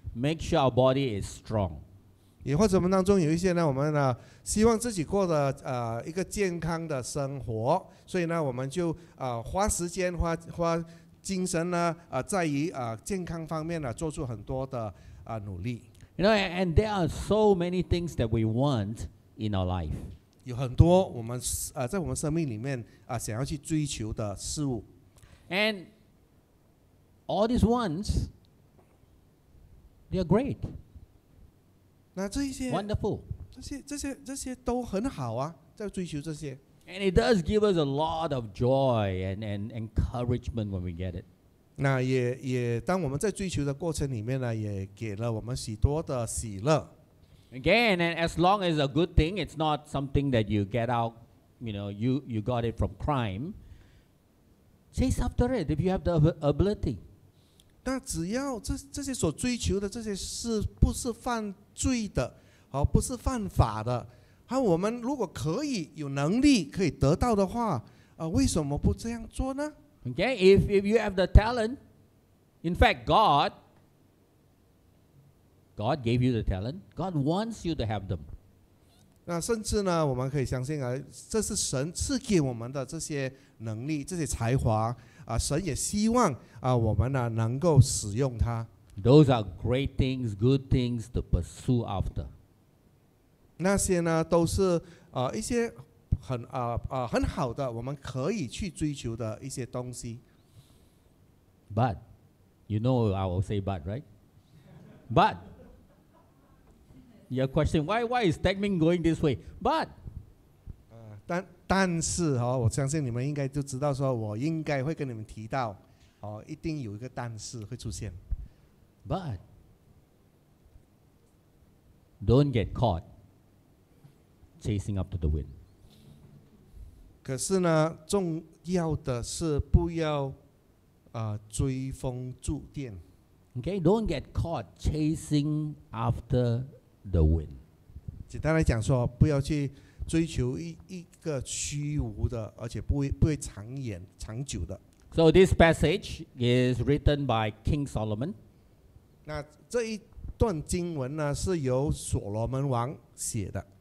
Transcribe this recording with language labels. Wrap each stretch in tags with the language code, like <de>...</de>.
<en>make sure our body is strong.</en> <zh>也或者我们当中有一些呢，我们呢希望自己过的一个健康的生活，所以呢我们就花时间花精神呢在于健康方面呢做出很多的努力。</zh> <en>You know, and there are so many things that we want in our life.</en> <zh>有很多我们在我们生命里面想要去追求的事物。</zh> <en>And all these wants, they are great.</en> <zh>那这一些</zh> <en>wonderful.</en> <zh>这些都很好啊，在追求这些。</zh> <en>And it does give us a lot of joy and encouragement when we get it.</en> <zh>那也当我们在追求的过程里面呢，也给了我们许多的喜乐。</zh> <en>Again, and as long as a good thing, it's not something that you get out, you know, you got it from crime. Chase after it if you have the ability.</en> <zh>那只要这些所追求的这些事不是犯罪的，不是犯法的，我们如果可以有能力可以得到的话，为什么不这样做呢？</zh> <en>Okay, if you have the talent, in fact, God gave you the talent. God wants you to have them.</en> <zh>那甚至呢，我们可以相信啊，这是神赐给我们的这些。能力这些才华神也希望我们呢能够使用它。</zh> <en>Those are great things, good things to pursue after.</en> <zh>那些呢都是一些很好的，我们可以去追求的一些东西。</zh> <en>But, you know, I will say but, right? But, your question, why is Tagmin going this way? But,</en> <zh>但是、哦、我相信你们应该就知道说我应该会跟你们提到、哦、一定有一个但是会出现。</zh> <en>But, don't get caught chasing after the wind.</en> <zh>可是呢重要的是不要追风逐电。</zh> <en>Okay, don't get caught chasing after the wind.</en> <zh>简单来讲说不要去追求一个虚无的，而且不会长久的。</zh> <en>So this passage is written by King Solomon.</en> <zh>那这一段经文呢，是由所罗门王写的。</zh>